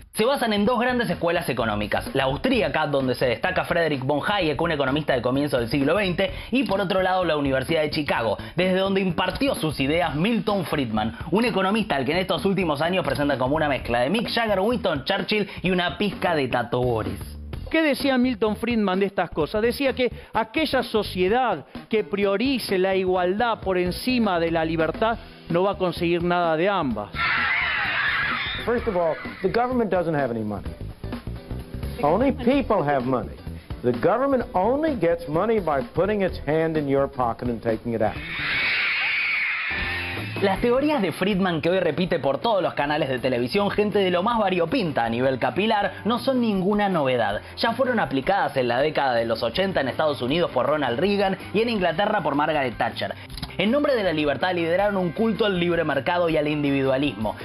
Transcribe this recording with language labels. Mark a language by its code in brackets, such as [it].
[es] Se basan en dos grandes escuelas económicas, la austríaca, donde se destaca Friedrich von Hayek, un economista de comienzo del siglo XX, y por otro lado la Universidad de Chicago, desde donde impartió sus ideas Milton Friedman, un economista al que en estos últimos años presenta como una mezcla de Mick Jagger, Winston Churchill y una pizca de Tato Boris. ¿Qué decía Milton Friedman de estas cosas? Decía que aquella sociedad que priorice la igualdad por encima de la libertad no va a conseguir nada de ambas. [en] First of all, the government doesn't have any money. Only people have money. The government only gets money by putting its hand in your pocket and taking it out. [es] Las teorías de Friedman, que hoy repite por todos los canales de televisión gente de lo más variopinta a nivel capilar, no son ninguna novedad. Ya fueron aplicadas en la década de los 80 en Estados Unidos por Ronald Reagan y en Inglaterra por Margaret Thatcher. En nombre de la libertad lideraron un culto al libre mercado y al individualismo.